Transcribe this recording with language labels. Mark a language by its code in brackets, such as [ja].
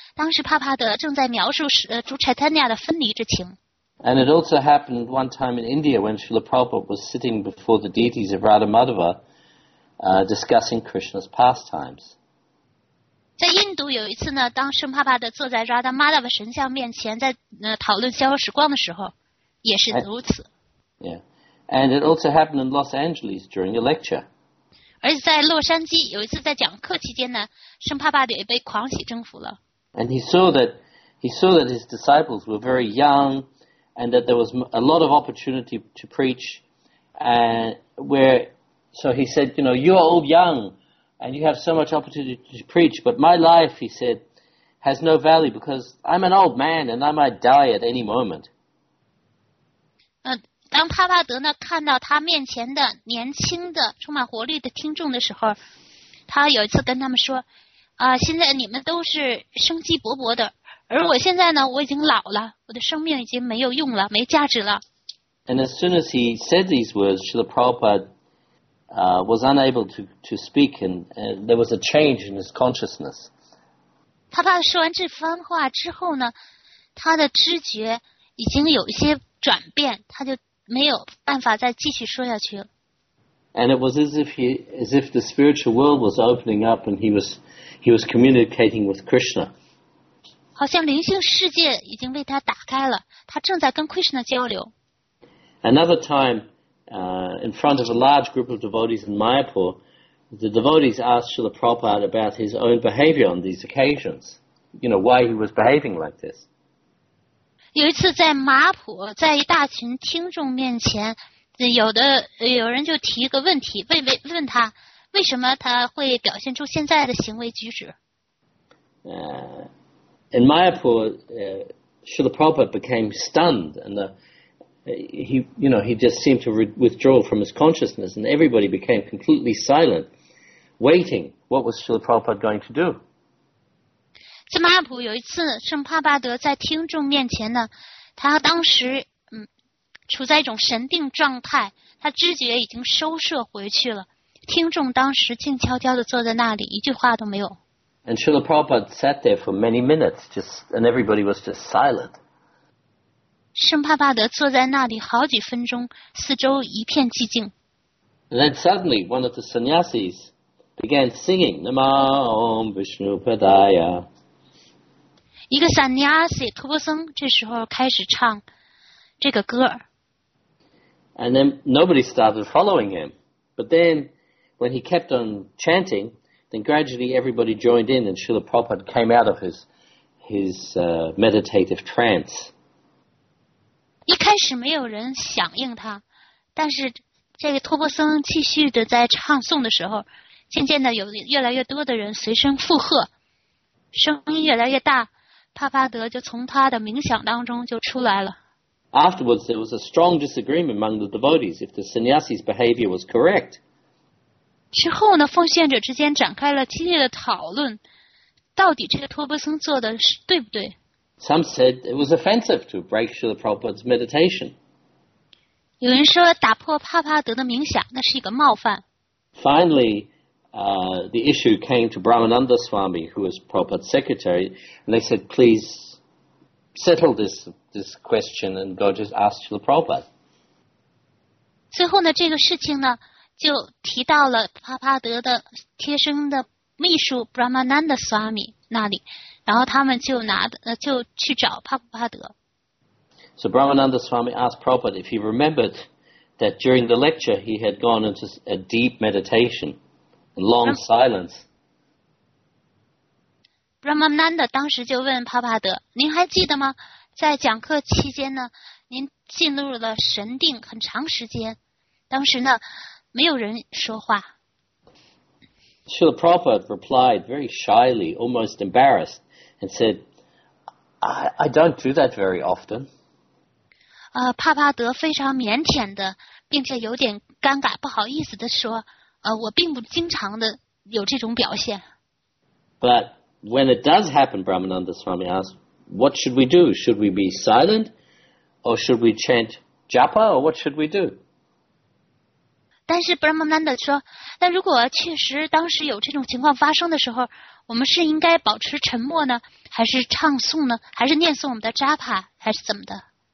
[zh] 当时帕帕德正在描述主 Chaitanya 的分离之情。 [en] And it also happened one time in India when Srila Prabhupada was sitting before the deities of Radha Madhava, discussing Krishna's pastimes. [zh] 在印度有一次呢，当圣帕帕德坐在 Radha Madhava 神像面前，在讨论消耗时光的时候，也是如此。 [en] And it also happened in Los Angeles during a lecture. [zh] 而且在洛杉矶有一次在讲课期间呢，圣帕帕德也被狂喜征服了。 [en] And he saw that his disciples were very young. And that there was a lot of opportunity to preach, so he said, you know, you are all young, and you have so much opportunity to preach, but my life, he said, has no value because I'm an old man and I might die at any moment. [zh] 当帕帕德呢看到他面前的年轻的充满活力的听众的时候，他有一次跟他们说，现在你们都是生机勃勃的。而我现在呢，我已经老了，我的生命已经没有用了，没价值了。 [en] And as soon as he said these words, Srila Prabhupada was unable to speak, and there was a change in his consciousness. [zh] 帕帕说完这番话之后呢，他的知觉已经有一些转变，他就没有办法再继续说下去了。 [en] And it was as if the spiritual world was opening up, and he was communicating with Krishna. [zh] 好像灵性世界已经为他打开了，他正在跟 Krishna 交流。 [en] Another time, in front of a large group of devotees in Mayapur, the devotees asked Srila Prabhupada about his own behavior on these occasions. You know, why he was behaving like this. [zh] 有一次在马普，在一大群听众面前，有人就提一个问题，问他为什么他会表现出现在的行为举止。 [en] In Mayapur, Srila Prabhupada became stunned, and he just seemed to withdraw from his consciousness, and everybody became completely silent, waiting. What was Srila Prabhupada going to do? [zh] 在 Mayapur 有一次，圣帕巴德在听众面前呢，他当时处在一种神定状态，他知觉已经收摄回去了。听众当时静悄悄地坐在那里，一句话都没有。 [en] And Srila Prabhupada sat there for many minutes, and everybody was just silent. [zh] 圣帕帕德坐在那里好几分钟，四周一片寂静。 [en] And then suddenly, one of the sannyasis began singing, Namo Om Vishnu Padaya. [zh] 一个 sannyasi, 托钵僧这时候开始唱这个歌。 [en] And then nobody started following him. But then, when he kept on chanting,Then gradually everybody joined in, and Srila Prabhupada came out of his meditative trance. [zh] 一开始没有人响应他，但是这个托钵僧继续的在唱诵的时候，渐渐的有越来越多的人随声附和，声音越来越大，帕帕德就从他的冥想当中就出来了。 [en] Afterwards, there was a strong disagreement among the devotees if the sannyasi's behavior was correct. [zh] 之后呢，奉献者之间展开了激烈的讨论，到底这个托钵僧做的是对不对 [en] ？Some said it was offensive to break Srila Prabhupada's meditation. [zh] 有人说打破帕帕德的冥想，那是一个冒犯。 [en] Finally, the issue came to Brahmananda Swami, who was Prabhupada's secretary, and they said, "Please settle this question and go just ask Srila Prabhupada." [zh] 最后呢，这个事情呢，就提到了帕帕德的贴身的秘书 Brahmananda Swami 那里，然后他们就拿就去找帕帕德。 [en] So Brahmananda Swami asked Prabhupada if he remembered that during the lecture he had gone into a deep meditation, a long silence. [zh] Brahmananda 当时就问帕帕德，您还记得吗？在讲课期间呢，您进入了神定很长时间，当时呢没有人说话。 [en] Srila Prabhupada replied very shyly, almost embarrassed, and said, I don't do that very often. [zh] 帕帕德非常腼腆的，并且有点尴尬，不好意思的说，我并不经常的有这种表现。 [en] But when it does happen, Brahmananda Swami asked, what should we do? Should we be silent? Or should we chant japa? Or what should we do? [zh] 但是 Brahmananda 说，但如果确实当时有这种情况发生的时候，我们是应该保持沉默呢，还是唱诵呢，还是念诵我们的 japa, 还是怎么的？